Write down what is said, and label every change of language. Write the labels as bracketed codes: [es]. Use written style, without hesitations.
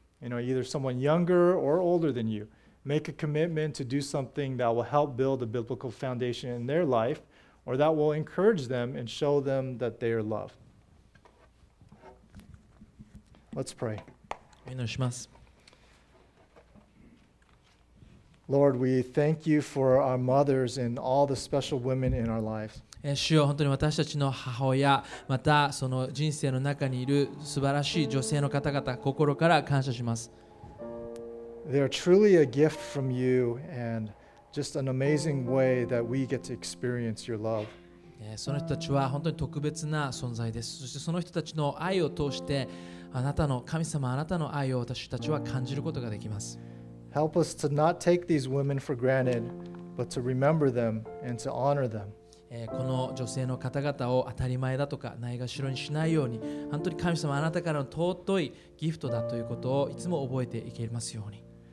[en] You know, either someone younger or older than you. Make a commitment to do something that will help build a biblical foundation in their life or that will encourage them and show them that they are loved. Let's pray. [ja] お祈りします。 [en] Lord, we thank you for our mothers and all the special women in our life. [ja] 主よ、本当に私たちの母親、またその人生の中にいる素晴らしい女性の方々、心から感謝します。 [en] They are truly a gift from you and just an amazing way that we get to experience your love. [ja] その人たちは本当に特別な存在です。そしてその人たちの愛を通して、あなたの神様、あなたの愛を私たちは感じることができます。 [en] Help us to not take these women for granted, but to remember them and to honor them. [ja] この女性の方々を当たり前だとかないがしろにしないように、本当に神様あなたからの尊いギフトだということをいつも覚えていけますように。